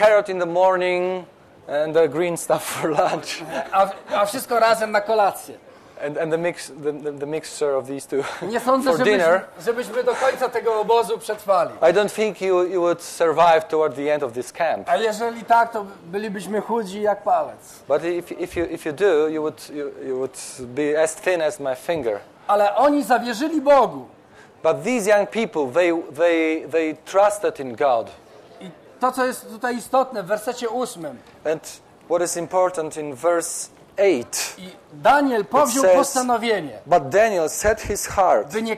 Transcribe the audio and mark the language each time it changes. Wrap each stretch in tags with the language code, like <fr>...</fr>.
<en>Carrot in the morning and the green stuff for lunch.</en> <pl>A wszystko razem na kolację.</pl> <en>And the mixture of these two</en> <pl>nie sądzę,</pl> <en>for dinner.</en> <pl>Żebyśmy do końca tego obozu przetrwali.</pl> <en>I don't think you would survive toward the end of this camp.</en> <pl>A jeżeli tak, to bylibyśmy chudzi jak palec.</pl> <en>But if you do, you would be as thin as my finger.</en> <pl>Ale oni zawierzyli Bogu.</pl> <en>But these young people, they trusted in God.</en> <pl>I to, co jest tutaj istotne w wersecie 8.</pl> <en>And what is important in verse 8,</en> <pl>i Daniel powziął</pl> <en>says,</en> <pl>postanowienie.</pl> <en>But Daniel set his heart,</en>